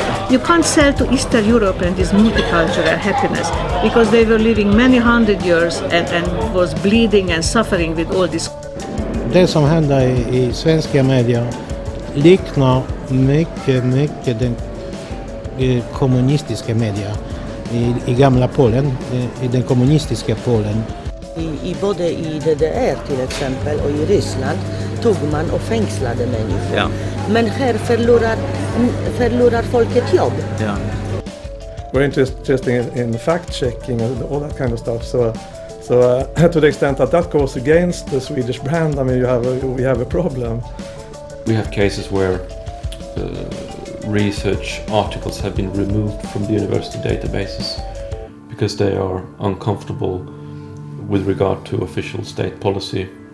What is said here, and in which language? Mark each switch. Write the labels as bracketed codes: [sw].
[en] You can't sell to Eastern Europe and this multicultural happiness because they were living many hundred years and was bleeding and suffering with all this. [sv] Det som hände i svenska media liknar mycket, mycket den kommunistiska media i gamla Polen, i den kommunistiska Polen. I både i DDR till exempel och i Ryssland tog man och fängslade människor. [en] Yeah. [sv] Men här förlorar folket jobb. [en] Yeah. We're interested in fact-checking and all that kind of stuff. So to the extent that goes against the Swedish brand, I mean, we have a problem. We have cases where research articles have been removed from the university databases because they are uncomfortable with regard to official state policy.